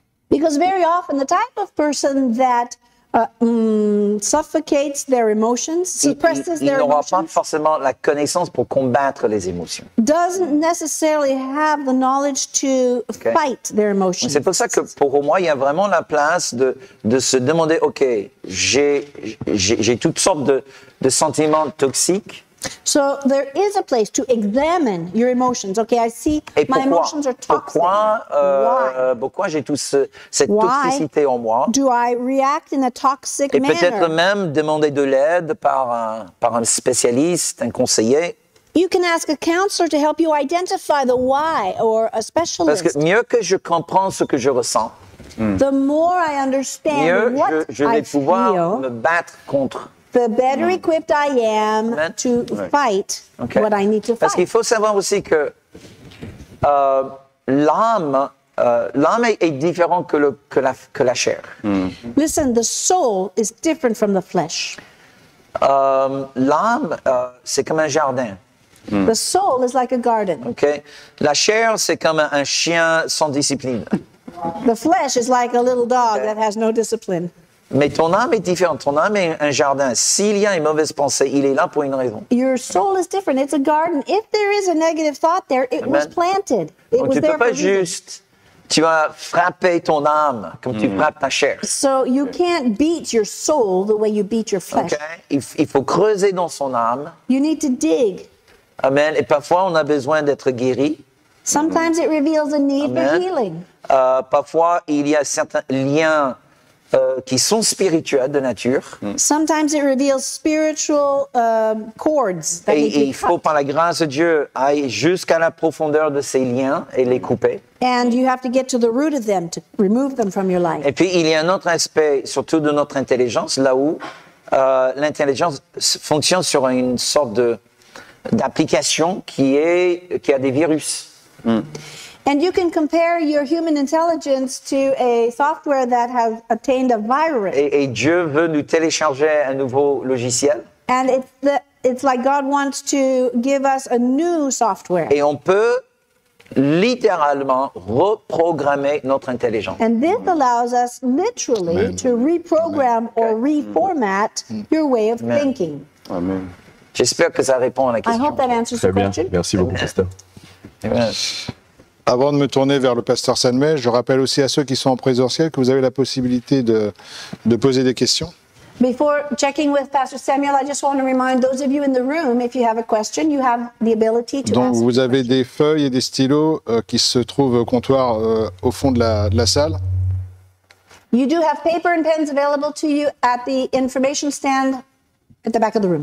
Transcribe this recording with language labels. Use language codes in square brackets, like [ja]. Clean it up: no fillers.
[en] Because very often, the type of person that suffocates their emotions, suppresses their emotions. [fr] Il n'aura pas forcément la connaissance pour combattre les émotions. [en] Doesn't necessarily have the knowledge to fight their emotions. [fr] C'est pour ça que pour moi, il y a vraiment la place de se demander, ok, j'ai toutes sortes de sentiments toxiques. [en] So there is a place to examine your emotions. Okay, I see my emotions are toxic. [fr] Pourquoi j'ai tout cette toxicité en moi? [en] Do I react in a toxic [fr] manner? Et peut-être même demander de l'aide par un spécialiste, un conseiller. [en] You can ask a counselor to help you identify the why or a specialist. [fr] Parce que mieux que je comprends ce que je ressens, [en] the more I understand what [fr] je vais pouvoir me battre contre. [en] The better equipped I am to fight what I need to fight. [fr] Parce qu'il faut savoir aussi que l'âme est différent que la chair. [en] Listen, the soul is different from the flesh. [fr] L'âme, c'est comme un jardin. [en] The soul is like a garden. Okay. [fr] La chair, c'est comme un chien sans discipline. [en] The flesh is like a little dog that has no discipline. [fr] Mais ton âme est différente. Ton âme est un jardin. S'il y a une mauvaise pensée, il est là pour une raison. [en] Your soul is different. It's a garden. If there is a negative thought there, it was planted. It was there for a reason. [fr] Juste, tu as frappé ton âme comme tu frappes ta chair. [en] So you can't beat your soul the way you beat your flesh. [fr] Okay. Il faut creuser dans son âme. [en] You need to dig. [fr] Amen. Et parfois, on a besoin d'être guéri. [en] Sometimes it reveals a need for healing. [fr] Parfois, il y a certains liens qui sont spirituels de nature. [en] Sometimes it reveals spiritual cords that need to be cut. [fr] Et il faut, par la grâce de Dieu, aller jusqu'à la profondeur de ces liens et les couper. [en] And you have to get to the root of them to remove them from your life. [fr] Et puis il y a un autre aspect, surtout de notre intelligence, là où l'intelligence fonctionne sur une sorte d'application qui a des virus. [en] And you can compare your human intelligence to a software that has obtained a virus. [fr] Et Dieu veut nous télécharger un nouveau logiciel. [en] And it's the it's like God wants to give us a new software. [fr] Et on peut littéralement reprogrammer notre intelligence. [en] And this allows us literally to reprogram or reformat your way of thinking. [fr] Amen. J'espère que ça répond à la question. [en] I hope that answers [fr] Très [en] the [fr] bien. [en] Question. [fr] Merci beaucoup, pasteur. Avant de me tourner vers le pasteur Sanmay, je rappelle aussi à ceux qui sont en présentiel que vous avez la possibilité de poser des questions. [en] Before checking with Pastor Samuel, I just want to remind those of you in the room, if you have a question, you have the ability to ask. [fr] Donc vous avez des feuilles et des stylos qui se trouvent au comptoir au fond de la salle. [en] You do have paper and pens available to you at the information stand at the back of the room.